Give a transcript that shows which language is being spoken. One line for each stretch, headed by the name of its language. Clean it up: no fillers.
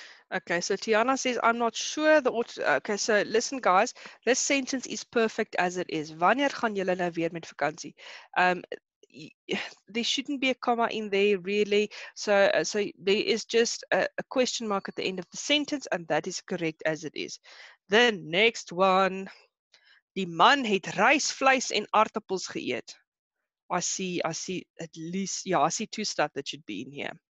English: Okay, so Tiana says, I'm not sure the okay, so listen, guys, this sentence is perfect as it is.
Afrikaans: Wanneer gaan julle nou weer met vakantie?
English: There shouldn't be a comma in there, really. So there is just a question mark at the end of the sentence, and that is correct as it is.
Afrikaans: The next one. Die man het rys, vleis en aartappels geëet.
English: I see at least, yeah, I see two stuff that should be in here.